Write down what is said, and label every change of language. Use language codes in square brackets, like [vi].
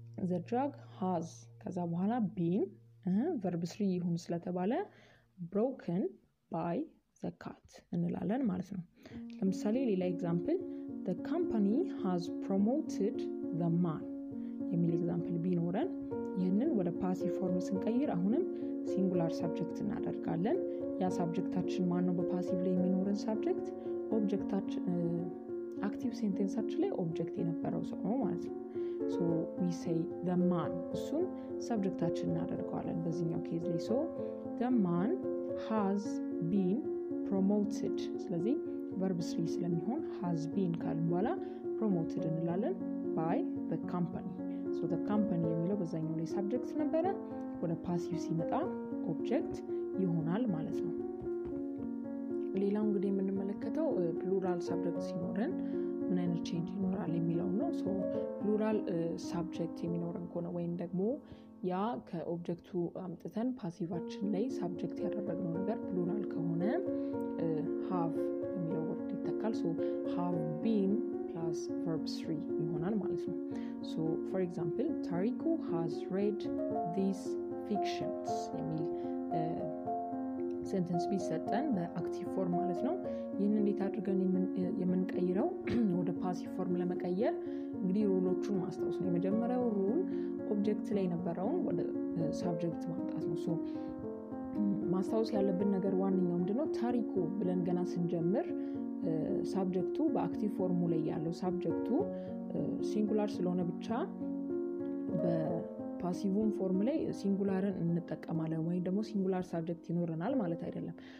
[en] the jug has [am] ከዛ በኋላ been verb 3 ይሁን ስለተባለ broken by the cat እንላለን ማለት ነው ለምሳሌ ሌላ example [en] the company has promoted the man [am] የሚል example ቢኖረን ይህንን ወደ passive form ስንቀይር አሁንም singular subject እናደርጋለን ያ subjectታችን ማን ነው በpassive ላይ የሚኖረን subject objectታችን active sentenceታችን ላይ object የነበረው ሰው ነው ማለት ነው [en] So we say the man. [am] እሱ ሰብጀክታችን እናደርጋለን በዚህኛው ኬዝ ላይ. [en] So the man has been promoted. [am] ስለዚህ verb 3 ስለሚሆን has been ካልን በኋላ promoted እንላለን by the company. So the company የሚለው በዛኛው ላይ ሰብጀክት ነበረ ወደ passive ሲመጣ object ይሆናል ማለት ነው. ሌላው እንግዲህ የምንመለከተው plural subject ሲኖርን ምን አይነት change ይኖራል የሚለው ነው. So plural subject የሚኖረን ከሆነ ወይም ደግሞ ያ ከobjectቱ አምጥተን passiveአችን ላይ subject ያደረግነው ነገር plural ከሆነ have የሚለው word ይተካል. So have been plus verb 3 ይሆናል ማለት ነው. [en] So for example Tariku has read these fictions የሚል sentence ቢሰጠን [am] በactive form ማለት ነው. ይህን እንዴት አድርገን የምንቀይረው ወደ passive form ለመቀየር እንግዲህ ሩሎቹን ማስተዋወስ ነው. የመጀመሪያው ሩል object ላይ ነበረውን ወደ subject ማምጣት ነው. So ማስተዋወስ ያለብን ነገር ዋንኛው ምንድነው ታሪኩ ብለን ገና ስንጀምር subject በactive form ላይ ያለው subject singular ስለሆነ ብቻ በ passive form ላይ singularን እንጠቀማለን ወይ ደግሞ singular subject ይኖርናል ማለት አይደለም.